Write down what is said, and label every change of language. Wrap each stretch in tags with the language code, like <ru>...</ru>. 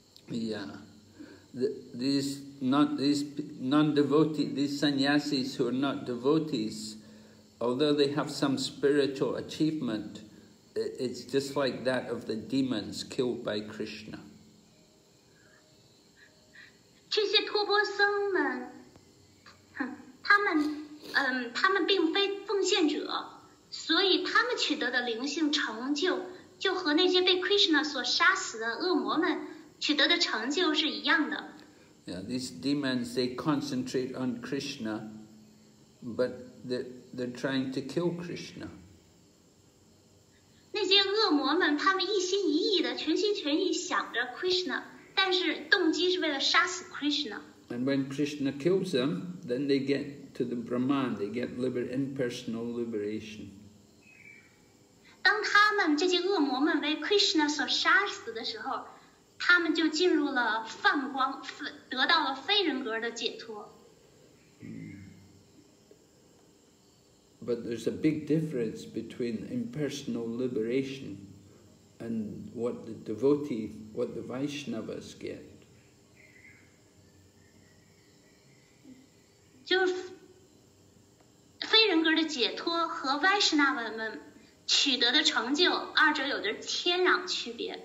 <en>Yeah. These sannyasis who are not devotees, although they have some spiritual achievement, it's just like that of the demons killed by Krishna.</en> <zh>波僧们，他们，他们并非奉献者，所以他们取得的灵性成就，就和那些被 Krishna 所杀死的恶魔们取得的成就是一样的。</zh> <en>Yeah, these demons, they concentrate on Krishna, but they're trying to kill Krishna.</en> <zh>那些恶魔们，他们一心一意的，全心全意想着 Krishna， 但是动机是为了杀死 Krishna。</zh> <en>And when Krishna kills them, then they get to the Brahman, they get impersonal liberation.</en> <zh>当他们这些恶魔们为 Krishna 所杀死的时候，他们就进入了梵光，得到了非人格的解脱。</zh> <en>But there's a big difference between impersonal liberation and what the devotee, what the Vaishnavas get.</en> <zh>就是非人格的解脱和 Vaishnava 们取得的成就，二者有着天壤区别。</zh>